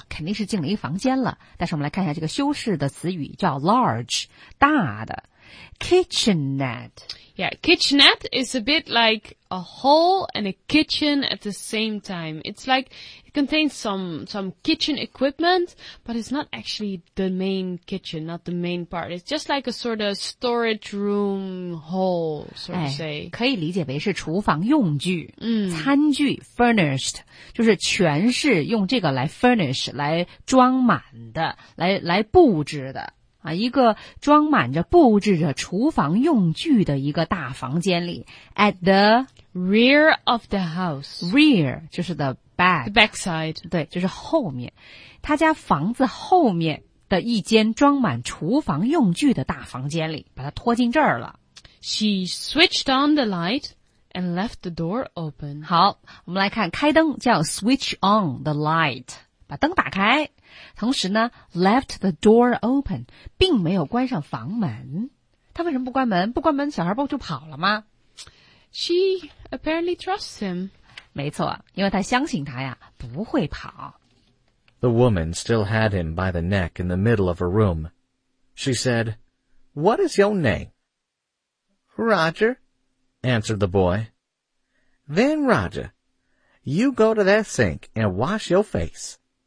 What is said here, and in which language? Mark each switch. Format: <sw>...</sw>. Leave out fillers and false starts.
<zh>肯定是进了一房间了，但是我们来看一下这个修饰的词语叫 large, 大的 kitchenette.</zh> <en>Yeah, kitchenette is a bit like a hall and a kitchen at the same time. It's like it contains some kitchen equipment, but it's not actually the main kitchen, not the main part. It's just like a sort of storage room hall, sort of say.</en> <zh>可以理解为是厨房用具，嗯，餐具 furnished, 就是全是用这个来 furnish, 来装满的，来布置的。啊，一个装满着布置着厨房用具的一个大房间里 ，</zh> <en>at the rear of the house. Rear 就是 the back, the backside.</en> <zh>对，就是后面，他家房子后面的一间装满厨房用具的大房间里，把他拖进这儿了。</zh> <en>She switched on the light and left the door open.</en> <zh>好，我们来看开灯叫</zh> <en>switch on the light,</en> <zh>把灯打开。同时呢</zh> <en>left the door open,</en> <zh>并没有关上房门。他为什么不关门？不关门小孩不就跑了吗？</zh> <en>She apparently trusts him.</en> <zh>没错，因为他相信他呀不会跑。</zh> <en>The woman still had him by the neck in the middle of her room. She said, What is your name? Roger, answered the boy. Then Roger, you go to that sink and wash your face.</en>